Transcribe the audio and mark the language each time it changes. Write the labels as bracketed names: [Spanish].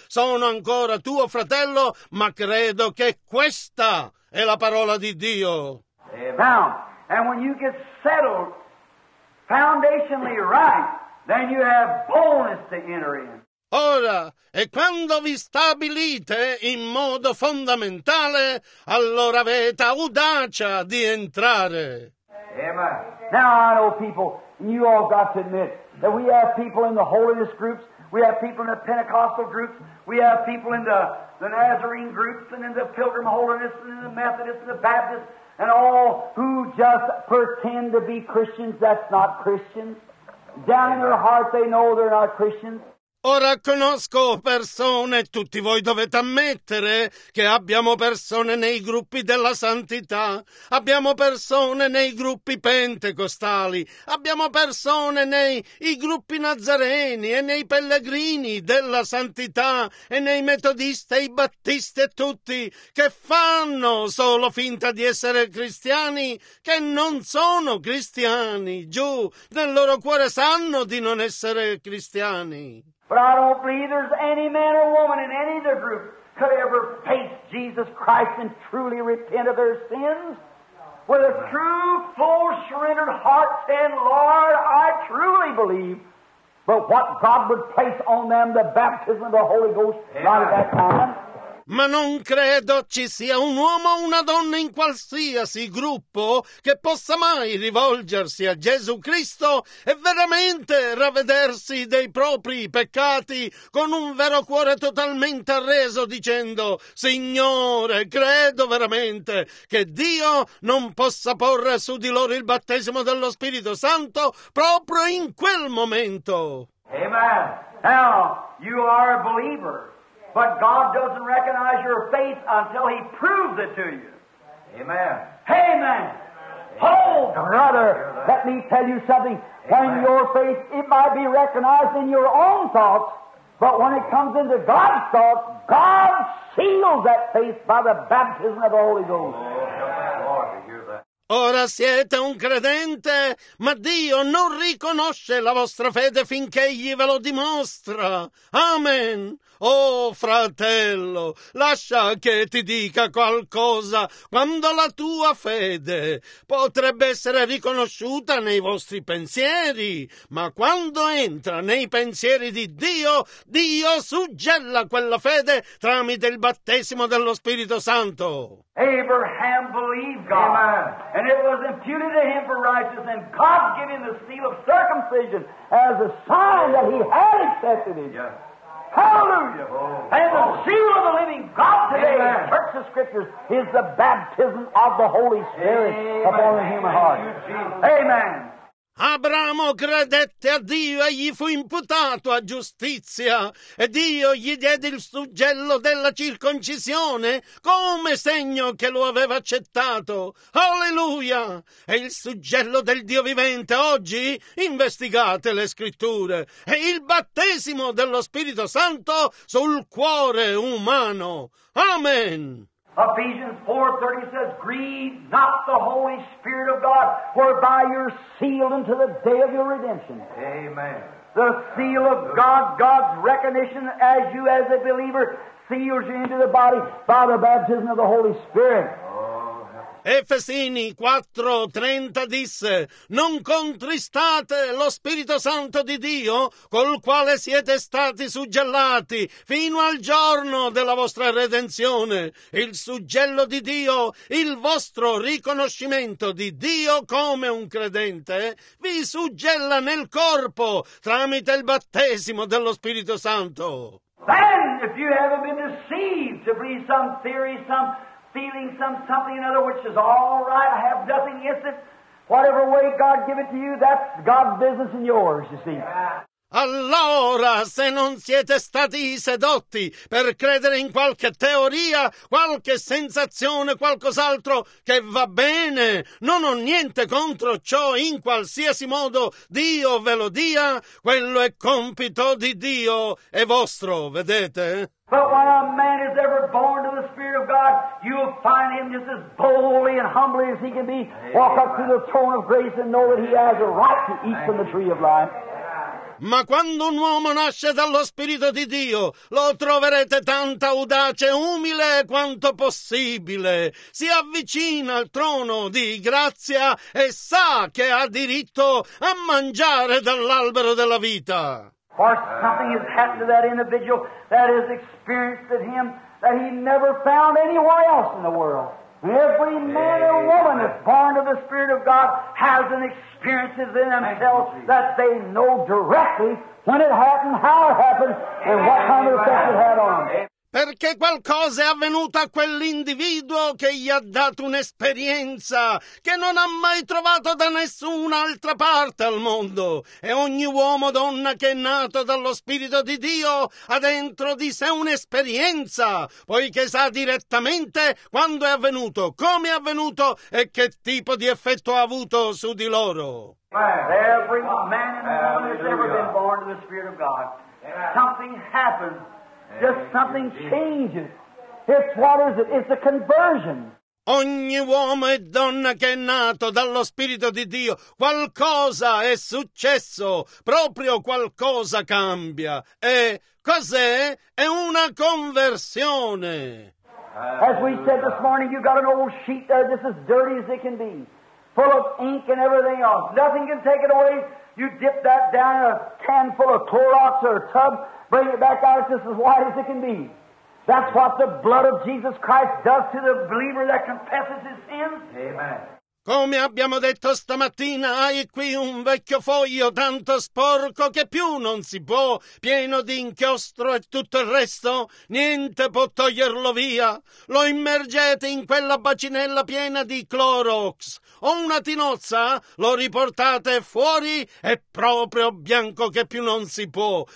[Italian] Sono ancora tuo fratello, ma credo che questa è la parola di Dio. [English] Now, and when you get settled, foundationally right, then you have boldness to enter in. [Italian] Ora, e quando vi stabilite in modo fondamentale, allora avete audacia di entrare. [English] Amen. Now I know people, and you all got to admit, that we have people in the holiness groups, we have people in the Pentecostal groups, we have people in the Nazarene groups, and in the Pilgrim Holiness, and in the Methodist, and the Baptist, and all who just pretend to be Christians that's not Christians. Down in their heart they know they're not Christians. [Italian] Ora conosco persone, tutti voi dovete ammettere che abbiamo persone nei gruppi della santità, abbiamo persone nei gruppi pentecostali, abbiamo persone nei i gruppi nazareni e nei pellegrini della santità e nei metodisti e i battisti e tutti che fanno solo finta di essere cristiani, che non sono cristiani, giù nel loro cuore sanno di non essere cristiani. [English] But I don't believe there's any man or woman in any of their groups could ever face Jesus Christ and truly repent of their sins. With a true, full, surrendered heart saying, Lord, I truly believe. But what God would place on them, the baptism of the Holy Ghost, not at that time. Ma non credo ci sia un uomo o una donna in qualsiasi gruppo che possa mai rivolgersi a Gesù Cristo e veramente ravvedersi dei propri peccati con un vero cuore totalmente arreso dicendo «Signore, credo veramente che Dio non possa porre su di loro il battesimo dello Spirito Santo proprio in quel momento». Amen. Now, you are a believer. But God doesn't recognize your faith until He proves it to you. Amen. Amen. Hold, brother. Let me tell you something. Amen. When your faith, it might be recognized in your own thoughts, but when it comes into God's thoughts, God seals that faith by the baptism of the Holy Ghost. [Italian] Ora siete un credente, ma Dio non riconosce la vostra fede finché egli ve lo dimostra. Amen. Oh, fratello, lascia che ti dica qualcosa quando la tua fede potrebbe essere riconosciuta nei vostri pensieri, ma quando entra nei pensieri di Dio, Dio suggella quella fede tramite il battesimo dello Spirito Santo. [English] Abraham believed God. Amen. And it was imputed to him for righteousness, and God gave him the seal of circumcision as a sign that he had accepted it. Yes. Hallelujah! Oh. And the seal of the living God today, Amen. Church of Scriptures, is the baptism of the Holy Spirit Amen. Upon the human heart. Amen. [Italian] Abramo credette a Dio e gli fu imputato a giustizia, e Dio gli diede il suggello della circoncisione come segno che lo aveva accettato. Alleluia! E il suggello del Dio vivente oggi? Investigate le scritture. E il battesimo dello Spirito Santo sul cuore umano. Amen! [English] Ephesians 4:30 says, Grieve not the Holy Spirit of God, whereby you're sealed unto the day of your redemption. Amen. The seal of God, God's recognition as you as a believer, seals you into the body by the baptism of the Holy Spirit. [Italian] Efesini 4:30 disse, Non contristate lo Spirito Santo di Dio, col quale siete stati suggellati fino al giorno della vostra redenzione. Il suggello di Dio, il vostro riconoscimento di Dio come un credente, vi suggella nel corpo tramite il battesimo dello Spirito Santo. [English] Then, if you haven't been deceived to believe some theory, some feeling something another, which is all right, I have nothing against it. Whatever way God give it to you, that's God's business and yours, you see. [Italian] Allora, se non siete stati sedotti per credere in qualche teoria, qualche sensazione, qualcos'altro che va bene, non ho niente contro ciò, in qualsiasi modo Dio ve lo dia, quello è compito di Dio e vostro, vedete? [English] But when a man is ever born to the Spirit of God, you'll find him just as boldly and humbly as he can be, walk Amen. Up to the throne of grace and know that he has a right to eat Amen. From the tree of life. [Italian] Ma quando un uomo nasce dallo Spirito di Dio, lo troverete tanto audace e umile quanto possibile. Si avvicina al trono di grazia e sa che ha diritto a mangiare dall'albero della vita. [English] For something has happened to that individual that has experienced him that he never found anywhere else in the world. Every man or woman that's born of the Spirit of God has an experience in themselves that they know directly when it happened, how it happened, and what kind of effect it had on them. [Italian] Perché qualcosa è avvenuto a quell'individuo che gli ha dato un'esperienza che non ha mai trovato da nessun'altra parte al mondo. E ogni uomo o donna che è nato dallo Spirito di Dio ha dentro di sé un'esperienza, poiché sa direttamente quando è avvenuto, come è avvenuto e che tipo di effetto ha avuto su di loro. [English] Every man and woman has ever been born to the Spirit of God. Something happened. Just something changes. It's what is it? It's a conversion. [Italian] Ogni uomo e donna che è nato dallo Spirito di Dio, qualcosa è successo, proprio qualcosa cambia. E cos'è? È una conversione. [English] As we said this morning, you've got an old sheet there, just as dirty as it can be, full of ink and everything else. Nothing can take it away. You dip that down in a can full of Clorox or a tub. Bring it back out, it's just as white as it can be. That's what the blood of Jesus Christ does to the believer that confesses his sins. Amen. [Italian] Come abbiamo detto stamattina, hai qui un vecchio foglio tanto sporco che più non si può, pieno di inchiostro e tutto il resto, niente può toglierlo via. Lo immergete in quella bacinella piena di Clorox o una tinozza, lo riportate fuori, è proprio bianco che più non si può.